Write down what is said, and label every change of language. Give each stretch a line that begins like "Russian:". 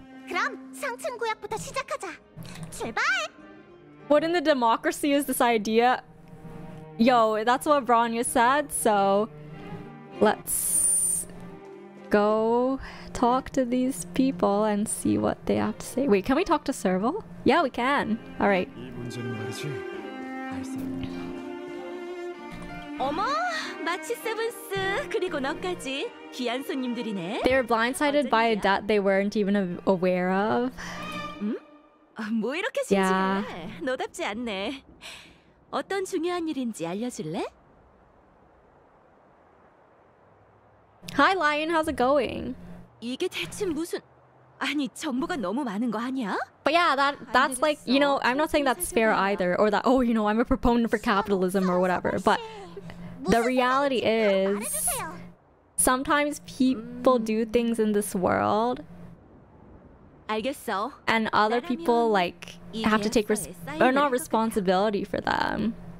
Korean: 그럼 상층 구역부터 시작하자. 출발!
English: What in the democracy is this idea? Yo, that's what Bronya said, so let's go talk to these people and see what they have to say. Wait, can we talk to Serval? Yeah, we can. All right.
Korean: 어머, 마치 세븐스 그리고 너까지 귀한 손님들이네.
English: They were blindsided by a debt they weren't even aware of.
Korean: 뭐 이렇게 진지해? 너답지 않네. 어떤 중요한 일인지 알려줄래?
English: Hi Lion, how's it going?
Korean: 이게 대체 무슨 아니 정보가 너무 많은 거 아니야?
English: But yeah, that's like, you know, I'm not saying that's fair either, or that, oh, you know, I'm a proponent for capitalism or whatever, but the reality is sometimes people do things in this world and other people like have to take responsibility for them.